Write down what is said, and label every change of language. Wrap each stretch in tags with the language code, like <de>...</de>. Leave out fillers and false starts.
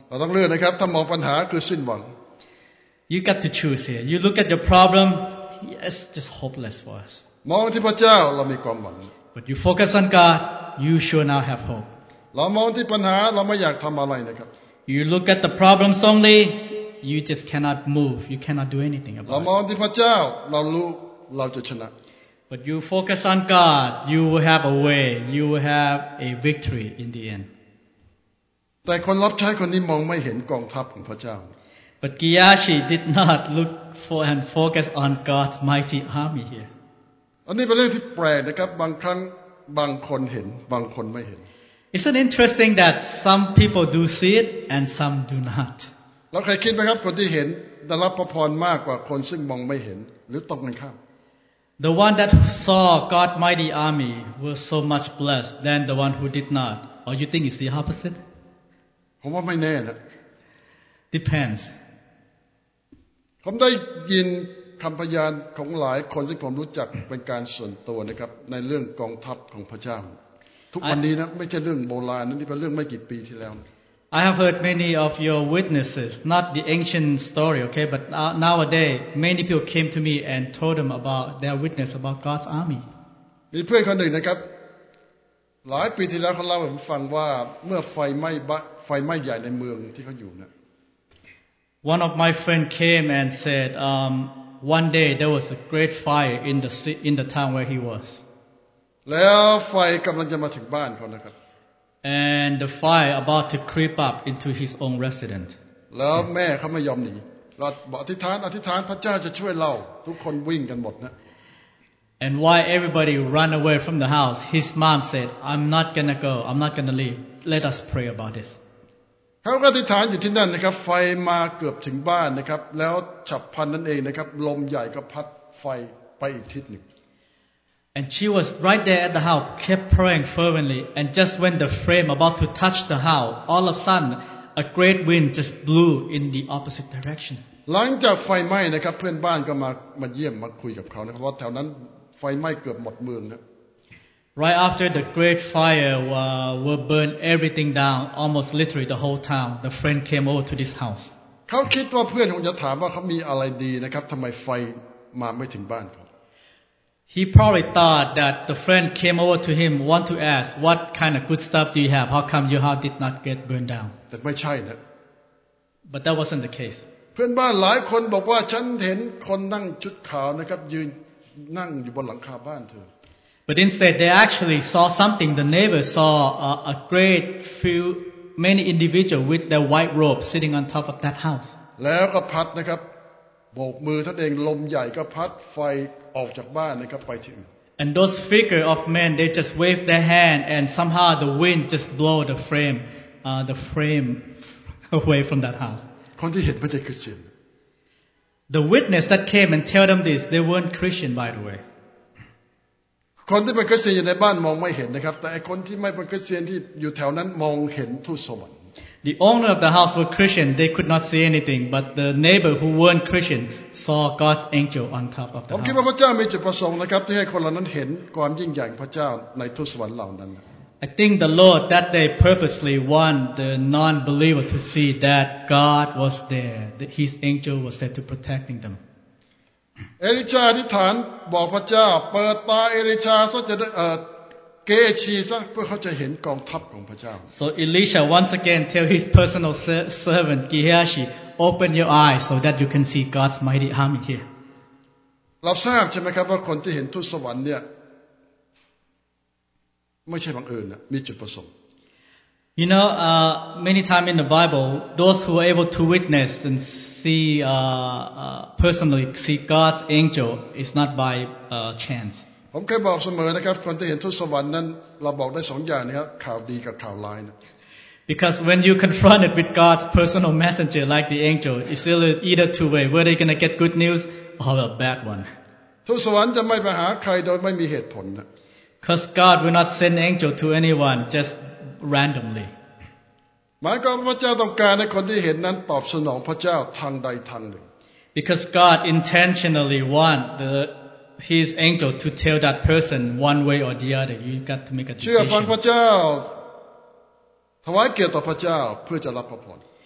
<th>เราต้องเลือกนะครับถ้ามองปัญหาคือสิ้นหวัง</th> <en>You got to choose here. You look at your problem, it's just hopeless for us.</en> <th>มองที่พระเจ้าเรามีความหวัง</th> <en>But you focus on God, you sure now have hope.</en> <th>เรามองที่ปัญหาเราไม่อยากทำอะไรนะครับ</th> <en>You look at the problem only, you just cannot move. You cannot do anything about it.</en> <th>เรามองที่พระเจ้าเรารู้เราจะชนะ</th> <en>But you focus on God, you will have a way. You will have a victory in the end.</en> <th>แต่คนรับใช้คนนี้มองไม่เห็นกองทัพของพระเจ้า</th> <en>But Gehazi did not look for and focus on God's mighty army here.</en> <th>อันนี้เป็นเรื่องที่แปลกนะครับบางครั้งบางคนเห็นบางคนไม่เห็น</th> <en>It's an interesting that some people do see it and some do not.</en> <th>แล้วใครคิดไหมครับคนที่เห็นได้รับพระพรมากกว่าคนซึ่งมองไม่เห็นหรือตรงกันข้าม</th> <en>The one that saw God's mighty army was so much blessed than the one who did not. Or you think it's the opposite?</en> <th>ผมว่าไม่แน่นะ</th> <en>Depends.</en> <th>ผมได้ยินคำพยานของหลายคนซึ่งผมรู้จักเป็นการส่วนตัวนะครับในเรื่องกองทัพของพระเจ้าทุกวันนี้นะไม่ใช่เรื่องโบราณนั่นนี่เป็นเรื่องไม่กี่ปีที่แล้ว</th> <en>I have heard many of your witnesses not the ancient story okay but nowadays many people came to me and told them about their witness about God's army</en> <th>มีเพื่อนคนหนึ่งนะครับหลายปีที่แล้วเขาเล่าให้ผมฟังว่าเมื่อไฟไหม้ใหญ่ในเมืองที่เขาอยู่นะ</th> <en>One of my friend came and said one day there was a great fire in the town where he was</en> <th>แล้วไฟกำลังจะมาถึงบ้านเขานะครับ</th> <en>And the fire about to creep up into his own residence.</en> <th>แล้วแม่เขาไม่ยอมหนีเราบอกอธิษฐานพระเจ้าจะช่วยเราทุกคนวิ่งกันหมดนะ</th> <en>And why everybody run away from the house? His mom said, "I'm not gonna go. I'm not gonna leave. Let us pray about this."</en> <th>เขาก็อธิษฐานอยู่ที่นั่นนะครับไฟมาเกือบถึงบ้านนะครับแล้วฉับพลันนั่นเองนะครับลมใหญ่ก็พัดไฟไปอีกทิศหนึ่ง</th> <en>And she was right there at the house, kept praying fervently. And just when the flame about to touch the house, all of a sudden, a great wind just blew in the opposite direction.</en> <th>หลังจากไฟไหม้นะครับเพื่อนบ้านก็มาเยี่ยมมาคุยกับเขานะครับว่าแถวนั้นไฟไหม้เกือบหมดเมืองนะ</th> <en>Right after the great fire were burned everything down, almost literally the whole town, the friend came over to this house.</en> <th>เขาคิดว่าเพื่อนคงจะถามว่าเขามีอะไรดีนะครับทำไมไฟมาไม่ถึงบ้าน</th> <en>He probably thought that the friend came over to him, want to ask, what kind of good stuff do you have? How come your house did not get burned down?</en> <th>แต่ไม่ใช่นะ</th> <en>But that wasn't the case.</en> <th>เพื่อนบ้านหลายคนบอกว่าฉันเห็นคนนั่งชุดขาวนะครับยืนนั่งอยู่บนหลังคาบ้านเธอ</th> <en>But instead, they actually saw something. The neighbor saw a great few many individuals with their white robes sitting on top of that house.</en> <th>แล้วก็พัดนะครับโบกมือท่านเองลมใหญ่ก็พัดไฟออกจากบ้านนะครับไปถึง</th> <en>And those figure of men they just wave their hand and somehow the wind just blow the frame away from that house</en> <th>คนที่เห็นไม่ใช่คริสเตียน</th> <en>The witness that came and tell them this they weren't Christian by the way</en> <th>คนที่เป็นคริสเตียนอยู่ในบ้านมองไม่เห็นนะครับแต่ไอ้คนที่ไม่เป็นคริสเตียนที่อยู่แถวนั้นมองเห็นทูตสวรรค์</th> <en>The owner of the house were Christian. They could not see anything, but the neighbor who weren't Christian saw God's angel on top of the house.</en> <th>ผมคิดว่าพระเจ้ามีจุดประสงค์นะครับที่ให้คนเหล่านั้นเห็นความยิ่งใหญ่พระเจ้าในทูตสวรรค์เหล่านั้น</th> <en>I think the Lord that day purposely wanted the non-believer to see that God was there. That His angel was there to protecting them.</en> <th>เอลิชาอธิษฐานบอกพระเจ้าเปิดตาเอลิชาเพื่อเขาจะเห็นกองทัพของพระเจ้า</th> <en>So Elisha once again tell his personal servant Gehazi open your eyes so that you can see God's mighty army here</en> <th>เราทราบใช่ไหมครับว่าคนที่เห็นทูตสวรรค์เนี่ยไม่ใช่บังเอิญนะมีจุดประสงค์</th> <en>You know many times in the Bible those who are able to witness and see personally see God's angel is not by chance.</en> <th>ผมเคยบอกเสมอนะครับคนที่เห็นทูตสวรรค์นั้นเราบอกได้สองอย่างนะครับข่าวดีกับข่าวร้ายนะ</th> <en>Because when you confronted with God's personal messenger like the angel, it's either two way. Were they gonna get good news or a bad one?</en> <th>ทูตสวรรค์จะไม่ไปหาใครโดยไม่มีเหตุผลนะ</th> <en>Because God will not send angel to anyone just randomly.</en> <th>หมายความว่าพระเจ้าต้องการให้คนที่เห็นนั้นตอบสนองพระเจ้าทางใดทางหนึ่ง</th> <en>Because God intentionally want His angel to tell that person one way or the other. You got to make a decision.</en> <th>เชื่อฟังพระเจ้าถวายเกียรติต่อพระเจ้าเพื่อจะรับพระพร</th>